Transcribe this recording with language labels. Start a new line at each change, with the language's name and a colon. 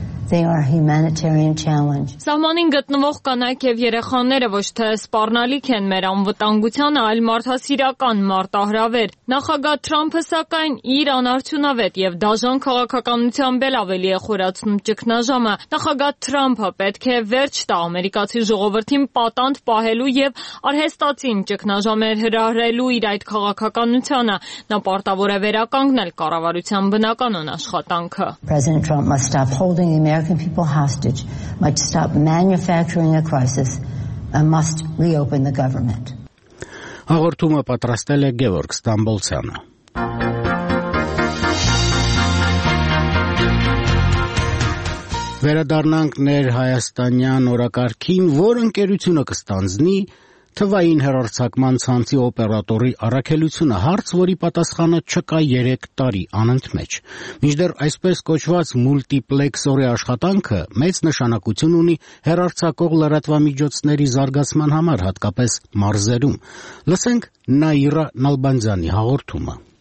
English: They are a humanitarian challenge.
Armenian: Սահմանին գտնվող կանայք եւ երեխաները ոչ թե սպառնալիք են մեր անվտանգությանը, այլ մարդասիրական մարտահրավեր։ Նախագահ Թրամփը, սակայն, իր անարդյունավետ եւ դաժան քաղաքականությամբ ավելի է խորացնում ճգնաժամը։ Նախագահ Թրամփը պետք է վերջ տա ամերիկացի ժողովրդին պատանդ պահելու եւ արհեստացին ճգնաժամեր հրահրելու իր այդ քաղաքականությանը։ Նա պարտավոր է վերականգնել կառավարության բնականոն աշխատանքը։
English: President Trump must stop holding American people hostage, must stop manufacturing a crisis, and must reopen the government.
Armenian: Հաղորդումը պատրաստել է Գևորգ Ստամբոլցյանը։ Վերադառնանք մեր հայաստանյան օրակարգին, որ ընկերությունը կստանձնի թվային հեռարձակման ցանցի օպերատորի առաքելությունը, հարց, որի պատասխանը չկա 3 տարի անընդմեջ։ Մինչդեռ այսպես կոչված մուլտիպլեքսորի աշխատանքը մեծ նշանակություն ունի հեռարձակող լրատվամիջոցների զարգացման համար, հատկապես մարզերում։ Լսենք Նաիրա Նալբանդյանի հաղորդումը։